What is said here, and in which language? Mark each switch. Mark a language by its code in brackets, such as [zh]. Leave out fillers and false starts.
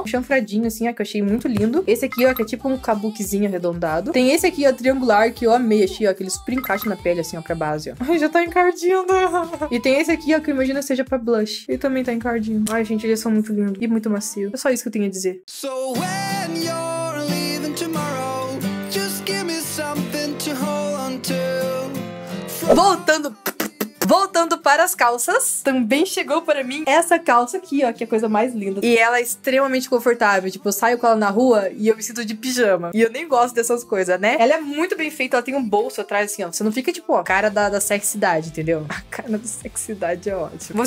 [pt] Um chanfradinho, assim, ó, que eu achei muito lindo. Esse aqui, ó, que é tipo um cabuquezinho arredondado. Tem esse aqui, ó, triangular, que eu amei. Achei, ó, que ele super encaixa na pele, assim, ó, pra base, ó. Ai, já tá encardindo. E tem esse aqui, ó, que eu imagino seja pra blush. Ele também tá encardindo. Ai, gente, eles são muito lindos. E muito macio. É só isso que eu tenho a dizer. [en] So when you're leaving tomorrow, just give me something to hold on to. [pt] Voltando. Voltando para as calças, também chegou para mim essa calça aqui, ó, que é a coisa mais linda. E ela é extremamente confortável, tipo, eu saio com ela na rua e eu me sinto de pijama. E eu nem gosto dessas coisas, né? Ela é muito bem feita, ela tem um bolso atrás, assim, ó. Você não fica, tipo, ó, cara da sexidade, entendeu? A cara da sexidade é ótima.